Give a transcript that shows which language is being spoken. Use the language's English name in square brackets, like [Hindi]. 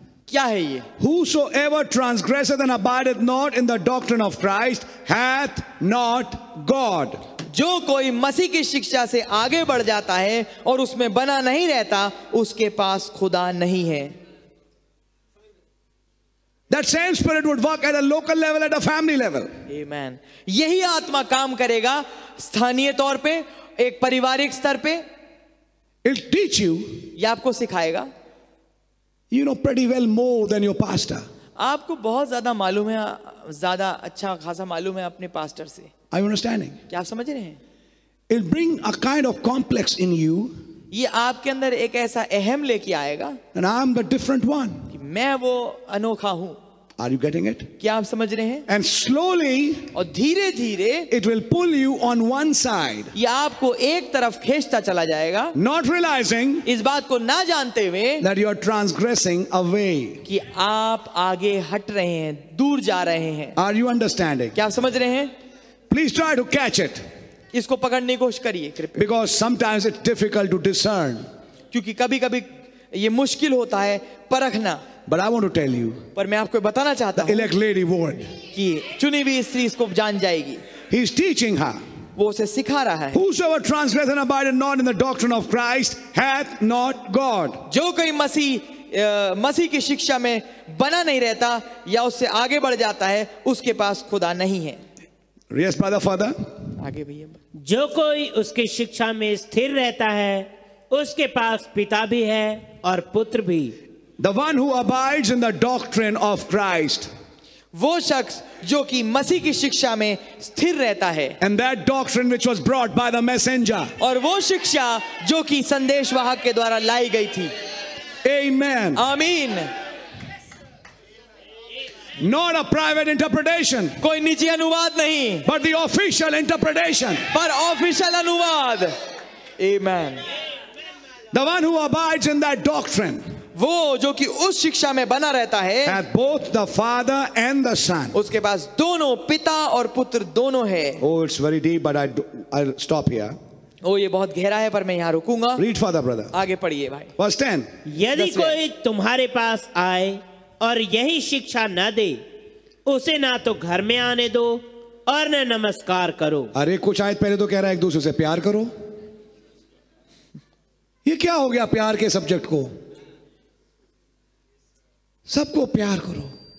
[Hindi] क्या है ये. [English] Whosoever transgresseth and abideth not in the doctrine of Christ hath not God. [Hindi] जो कोई मसीह की शिक्षा से आगे बढ़ जाता है और उसमें बना नहीं रहता, उसके पास खुदा नहीं है. [English] That same spirit would work at a local level, at a family level. [Hindi] Amen. यही आत्मा काम करेगा स्थानीय तौर पे, एक पारिवारिक स्तर पे. [English] It'll teach you. [Hindi] ये आपको सिखाएगा. [English] You know pretty well more than your pastor. [Hindi] आपको बहुत ज्यादा मालूम है, ज्यादा अच्छा खासा मालूम है अपने पास्टर से. [English] Are you understanding? [Hindi] क्या आप समझ रहे हैं? [English] It'll bring a kind of complex in you. [Hindi] ये आपके अंदर एक ऐसा अहम लेके आएगा. [English] And I'm the different one. [Hindi] कि मैं वो अनोखा हूँ. [English] Are you getting it? [Hindi] क्या आप समझ रहे हैं? [English] And slowly. [Hindi] और धीरे धीरे. [English] It will pull you on one side. [Hindi] ये आपको एक तरफ खींचता चला जाएगा. [English] Not realizing. [Hindi] इस बात को ना जानते हुए. [English] That you are transgressing away. [Hindi] कि आप आगे हट रहे हैं, दूर जा रहे हैं. [English] Are you understanding? [Hindi] क्या आप समझ रहे हैं? [English] Please try to catch it. [Hindi] इसको पकड़ने की कोशिश करिए कृपया. [English] Because sometimes it's difficult to discern. [Hindi] क्योंकि कभी कभी ये मुश्किल होता है परखना. [English] But I want to tell you. [Hindi] पर मैं आपको बताना चाहता हूँ. [English] Elect lady word. [Hindi] कि चुनी हुई स्त्री इसको जान जाएगी. [English] He is teaching her. [Hindi] वो उसे सिखा रहा है. [English] Whosoever transgresseth and abideth not in the doctrine of Christ hath not God. [Hindi] जो कोई मसीह की शिक्षा में बना नहीं रहता या उससे आगे बढ़ जाता है, उसके पास खुदा नहीं है. [English] Yes, brother, father. [Hindi] आगे भैया. जो कोई उसकी शिक्षा में स्थिर रहता है, उसके पास पिता भी है और पुत्र भी. [English] The one who abides in the doctrine of Christ. [Hindi] वो शख्स जो कि मसीह की शिक्षा में स्थिर रहता है. [English] And that doctrine which was brought by the messenger. [Hindi] और वो शिक्षा जो कि संदेश वाहक के द्वारा लाई गई थी. [English] Amen. [Hindi] आमीन. [English] Not a private interpretation. [Hindi] कोई निजी अनुवाद नहीं. [English] But the official interpretation. [Hindi] पर ऑफिशियल अनुवाद. Amen. [English] The one who abides in that doctrine. [Hindi] वो जो कि उस शिक्षा में बना रहता है. [English] Hath both the father and the son. [Hindi] उसके पास दोनों पिता और पुत्र दोनों है. [English] Oh, it's very deep, but I'll stop here. [Hindi] ये बहुत गहरा है पर मैं यहाँ रुकूंगा. [English] Read father, brother. [Hindi] आगे पढ़िए भाई. [English] Verse 10. [Hindi] यदि कोई तुम्हारे पास आए और यही शिक्षा न दे उसे ना तो घर में आने दो और न नमस्कार करो। अरे कुछ आयत पहले तो कह रहा है एक दूसरे से प्यार करो, ये क्या हो गया प्यार के सब्जेक्ट को, सबको प्यार करो।